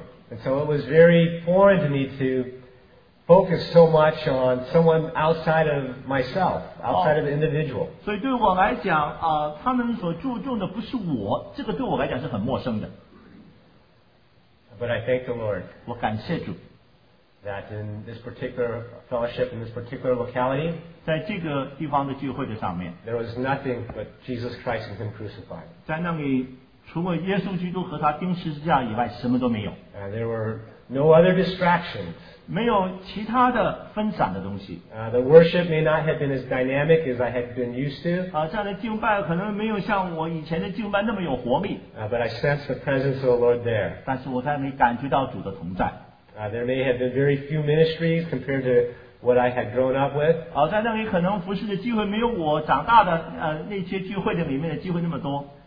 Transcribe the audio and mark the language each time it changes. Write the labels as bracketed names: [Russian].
[English] And so it was very foreign to me to focus so much on someone outside of myself, outside of the individual. [Chinese] 所以对我来讲, 他们所注重的不是我, 这个对我来讲是很陌生的。 [English] But I thank the Lord [Chinese] 我感谢主, [English] that in this particular fellowship, in this particular locality, [Chinese] 在这个地方的聚会的上面, [English] there was nothing but Jesus Christ and Him crucified. [Chinese] 在那里除了耶稣基督和他钉十字架以外, [English] there were no other distractions. [Chinese] 没有其他的分散的东西。 [English] The worship may not have been as dynamic as I had been used to. [Chinese] 这样的敬拜可能没有像我以前的敬拜那么有活力。 [English] But I sensed the presence of the Lord there. [Chinese] 但是我在那里感觉到主的同在。 [English] There may have been very few ministries compared to what I had grown up with. [Chinese] 在那里可能服事的机会没有我长大的那些聚会的里面的机会那么多。